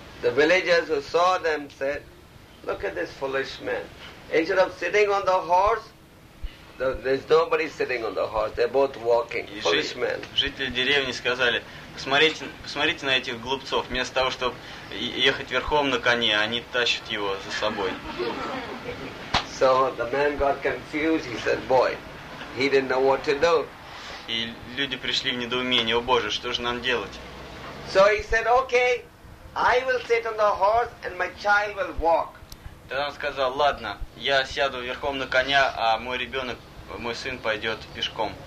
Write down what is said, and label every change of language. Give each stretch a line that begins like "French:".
English: The villagers who saw them said, "Look at this foolish man. Instead of sitting on the horse, there's nobody sitting on the horse. They're both walking. Foolish man."
Russian: Жители деревни сказали: "Посмотрите на этих глупцов. Вместо того, чтобы ехать верхом на коне, они тащат его за собой."
English: So the man got confused. He said, "Boy, he didn't know what to do."
Russian: И люди пришли в недоумение: "О боже, что же нам делать?"
English: So he said, "Okay, I will sit on the horse and my child will walk."
Russian: Тогда он сказал: "Ладно, я сяду верхом на коня, а мой сын пойдет пешком."